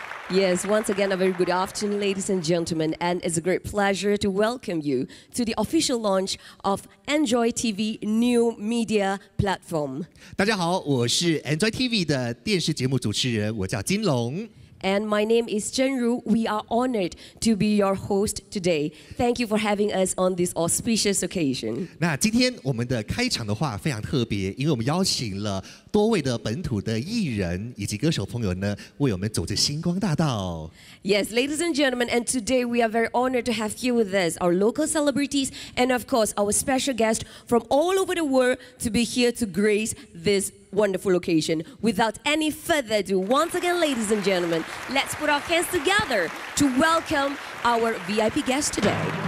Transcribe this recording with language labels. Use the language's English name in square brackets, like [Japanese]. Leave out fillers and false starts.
[English] Yes, once again, a very good afternoon, ladies and gentlemen, and it's a great pleasure to welcome you to the official launch of Enjoy TV new media platform. [Chinese] 大家好，我是 Enjoy TV 的电视节目主持人，我叫金龙。 [English] And my name is Chen Ru. We are honored to be your host today. Thank you for having us on this auspicious occasion. [Chinese] 那今天我们的开场的话非常特别，因为我们邀请了多位的本土的艺人以及歌手朋友呢，为我们走着星光大道。 [English] Yes, ladies and gentlemen, and today we are very honored to have here with us our local celebrities and of course our special guest from all over the world to be here to grace this wonderful location. Without any further ado, once again, ladies and gentlemen, let's put our hands together to welcome our VIP guest today.